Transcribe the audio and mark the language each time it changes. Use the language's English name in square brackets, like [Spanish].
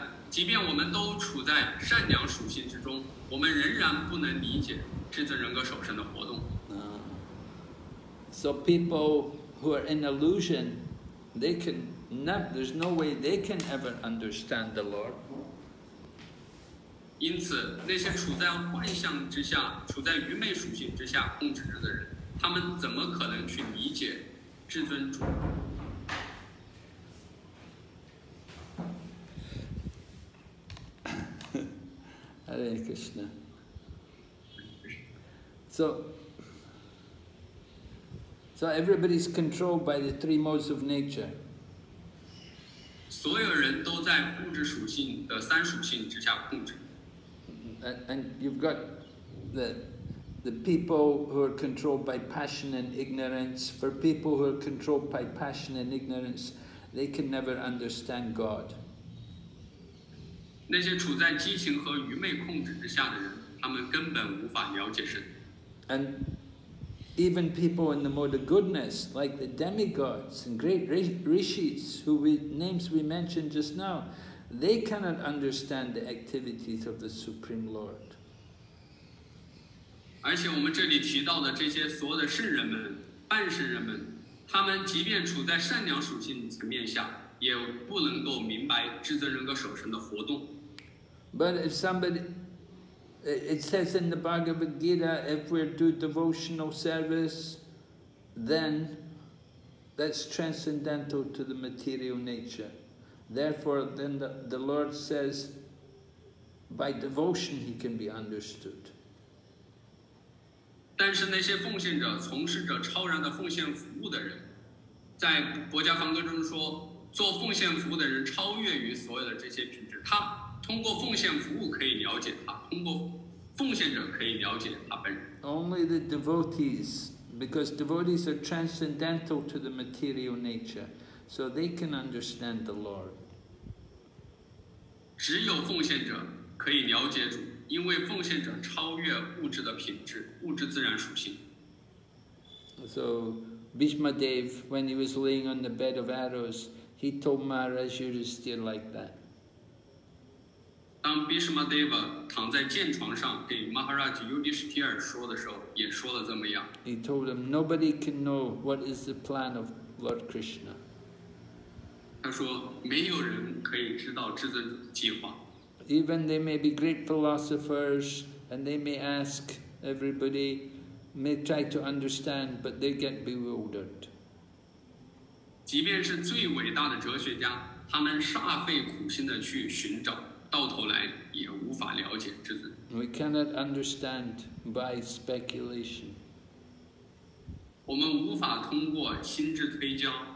[Chinese] 即便我们都处在善良属性之中，我们仍然不能理解至尊人格首身的活动。 [English] So people who are in illusion, they can. There's no way they can ever understand the Lord. [Chinese] 因此，那些处在幻象之下、处在愚昧属性之下控制着的人，他们怎么可能去理解至尊主？ [English] Hare Krishna. So. So everybody's controlled by the three modes of nature. [Chinese] 所有人都在物质属性的三属性之下控制。 [English] And you've got the people who are controlled by passion and ignorance. For people who are controlled by passion and ignorance, they can never understand God. [Chinese] 那些处在激情和愚昧控制之下的人，他们根本无法了解神。 [English] And even people in the mode of goodness, like the demigods and great rishis, names we mentioned just now, they cannot understand the activities of the Supreme Lord. [Chinese] 而且我们这里提到的这些所有的圣人们、半圣人们，他们即便处在善良属性层面下，也不能够明白至尊人格首身的活动。 [English] But if somebody... It says in the Bhagavad Gita, if we do devotional service, then that's transcendental to the material nature. Therefore, then the Lord says, by devotion he can be understood. [Chinese] 但是那些奉献者、从事者、超然的奉献服务的人，在《薄伽梵歌》中说，做奉献服务的人超越于所有的这些品质。他通过奉献服务可以了解他，通过奉献者可以了解他本人。 [English] Only the devotees, because devotees are transcendental to the material nature, so they can understand the Lord. [Chinese] 只有奉献者可以了解主，因为奉献者超越物质的品质，物质自然属性。 [English] So, Bhishma Dev, when he was laying on the bed of arrows, he told Maharaj Yudhisthira like that. [Chinese] 当 Bhishma Deva 躺在箭床上给 Maharaj Yudhisthira 说的时候，也说了这么样。 [English] He told him, nobody can know what is the plan of Lord Krishna. [Chinese] 他说，没有人可以知道至尊计划。 [English] Even they may be great philosophers, and they may ask everybody, may try to understand, but they get bewildered. [Chinese] 即便是最伟大的哲学家，他们煞费苦心地去寻找。到头来也无法了解至尊。 [English] We cannot understand by speculation. [Chinese] 我们无法通过心智推敲。